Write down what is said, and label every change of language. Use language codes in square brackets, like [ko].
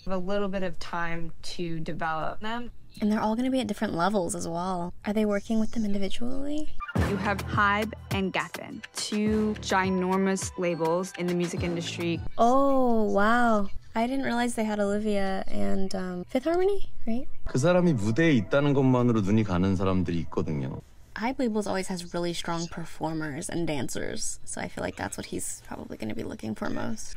[en] A little bit of time to develop them. And they're all going to be at different levels as well. Are they working with them individually? You have Hybe and Gapin, two ginormous labels in the music industry. Oh, wow. I didn't realize they had Olivia and Fifth Harmony, right? [ko] 그 사람이 무대에 있다는 것만으로 눈이 가는 사람들이 있거든요. [en] Hybe Labels always has really strong performers and dancers, so I feel like that's what he's probably going to be looking for most.